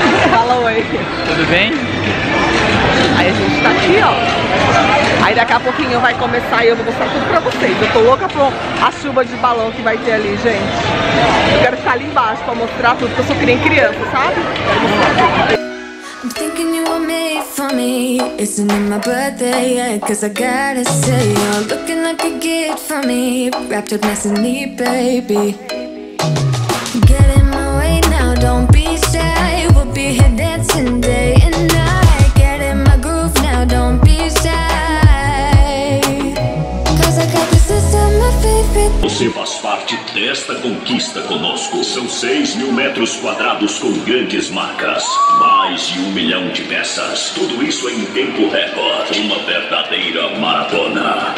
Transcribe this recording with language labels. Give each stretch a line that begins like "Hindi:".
Portuguese: Fala oi. Tudo bem? Aí a gente tá aqui, ó. Aí daqui a pouquinho vai começar e eu vou mostrar tudo pra vocês. Eu tô louca por a chuva de balão que vai ter ali, gente. Eu quero ficar ali embaixo pra mostrar tudo, porque eu sou que nem criança, sabe?
English: I'm thinking you are made for me. Isn't it my birthday yet? Cause I gotta say, you're looking like a gift for me. Wrapped up nice and neat, baby. Get in my way now, don't be shy. We'll be here dancing day and night. Get in my groove now, don't be shy. Cause I got this, this is my favorite.
Portuguese: Você faz parte desta conquista conosco. São 6 mil metros quadrados com grandes marcas. Mais de 1 milhão de peças. Tudo isso em tempo recorde. Uma verdadeira maratona.